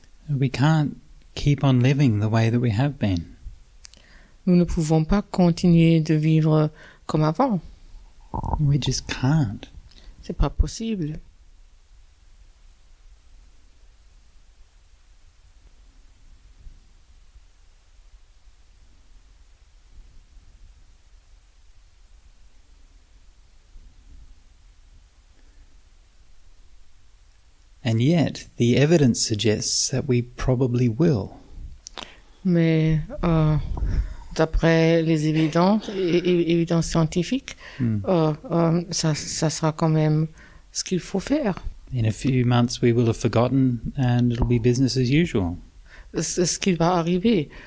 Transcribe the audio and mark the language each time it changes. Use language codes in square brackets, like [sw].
[en] We can't keep on living the way that we have been. [fr] Nous ne pouvons pas continuer de vivre comme avant. [en] We just can't. [fr] C'est pas possible. [en] And yet, the evidence suggests that we probably will. [fr] Mais d'après les évidences scientifiques, ça sera quand même ce qu'il faut faire. [en] In a few months, we will have forgotten, and it'll be business as usual. [fr] C'est ce qui va arriver.